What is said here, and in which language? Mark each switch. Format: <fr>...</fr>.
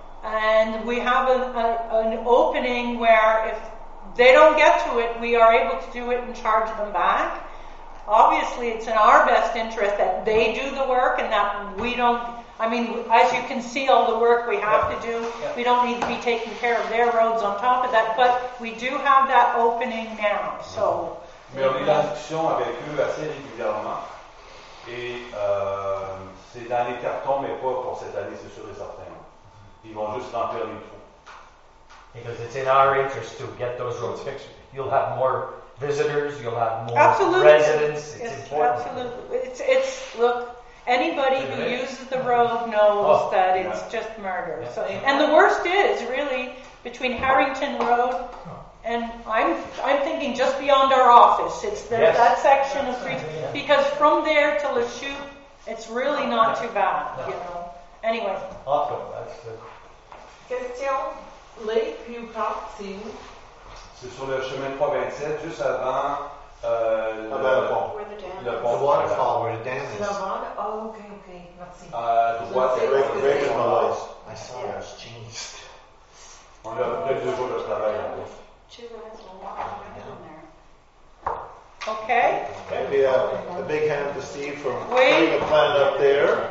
<en>And we have an opening where if they don't get to it, we are able to do it and charge them back. Obviously, it's in our best interest that they do the work and that we don't... I mean, as you can see, all the work we have to do, we don't need to be taking care of their roads on top of that, but we do have that opening now, so...</en> <fr>Mais on est dans la discussion avec eux assez régulièrement, et c'est dans les cartons, mais pas pour cette année, c'est sûr et certain. Ils vont juste remplir les trous.</fr> <en>Because it's in our interest to get those roads fixed. You'll have more... visitors, you'll have more residents. It's important. Absolutely. It's look, anybody who uses the road knows that it's just murder. Yeah. So, and the worst is, really, between Harrington Road and I'm thinking just beyond our office. It's that section of street. Because from there to Lachute, it's really not too bad, you know. Anyway. Awesome. That's Question. Lake View Proxy.</en> <fr>C'est sur le chemin 327, juste avant le pont. Le pont de</fr> <en>waterfall, where the dam is.</en> <fr>Le pont? Oh, ok, merci.</fr> <en>Regionalized. I saw it, it's changed.</en> <fr>On a fait deux jours de travail en plus. Ok.</fr> <en>Maybe a big hand to Steve for putting the plan up there.</en>